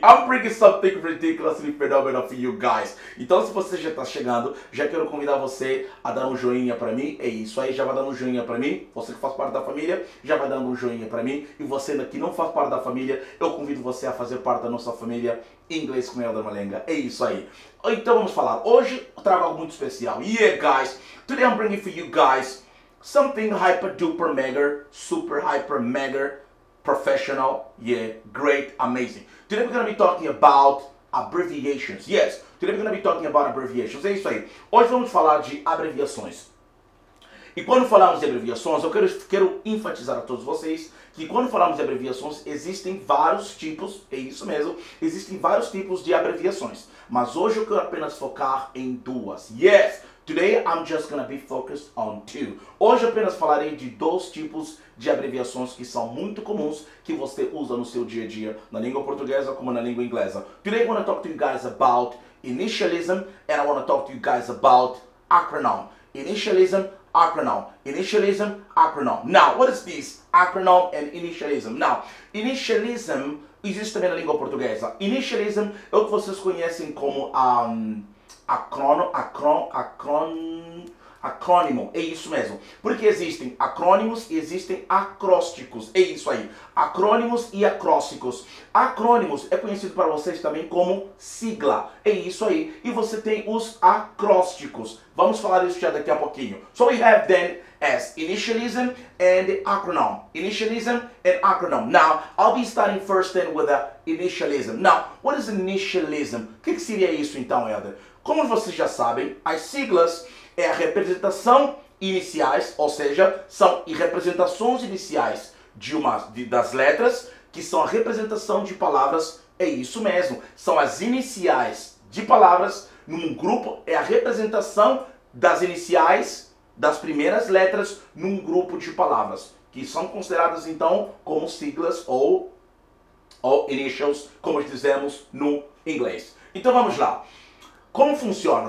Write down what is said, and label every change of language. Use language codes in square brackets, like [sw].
[en] I'm bringing something ridiculously phenomenal for you guys. [pt] Então, se você já tá chegando, já quero convidar você a dar um joinha pra mim. É isso aí, já vai dando um joinha pra mim. Você que faz parte da família, já vai dando um joinha pra mim. E você ainda que não faz parte da família, eu convido você a fazer parte da nossa família Inglês com Helder Malenga. É isso aí. Então, vamos falar. Hoje, eu trago algo muito especial. [en] Yeah, guys. Today, I'm bringing for you guys something hyper, duper, mega, super, hyper, mega, professional, yeah, great, amazing. Today we're going to be talking about abbreviations. Yes, today we're going to be talking about abbreviations. [pt] É isso aí. Hoje vamos falar de abreviações. E quando falamos de abreviações, eu quero enfatizar a todos vocês que quando falamos de abreviações, existem vários tipos, é isso mesmo, existem vários tipos de abreviações. Mas hoje eu quero apenas focar em duas. [en] Yes, today I'm just going to be focused on two. [pt] Hoje eu apenas falarei de dois tipos de abreviações que são muito comuns, que você usa no seu dia a dia, na língua portuguesa como na língua inglesa. [en] Today I want to talk to you guys about initialism and I want to talk to you guys about acronym. Initialism, acronym. Initialism, acronym. Now, what is this? Acronym and initialism. Now, initialism [pt] existe também na língua portuguesa. Initialism é o que vocês conhecem como acrônimo. É isso mesmo. Porque existem acrônimos e existem acrósticos. É isso aí. Acrônimos e acrósticos. Acrônimos é conhecido para vocês também como sigla. É isso aí. E você tem os acrósticos. Vamos falar disso já daqui a pouquinho. [en] So we have then as initialism and acronym. Initialism and acronym. Now, I'll be starting first then with the initialism. Now, what is initialism? [pt] O que seria isso então, Helder? Como vocês já sabem, as siglas é a representação iniciais, ou seja, são representações iniciais das letras, que são a representação de palavras, é isso mesmo. São as iniciais de palavras num grupo, é a representação das iniciais, das primeiras letras, num grupo de palavras, que são consideradas então como siglas ou initials, como dizemos no inglês. Então vamos lá. Como funciona?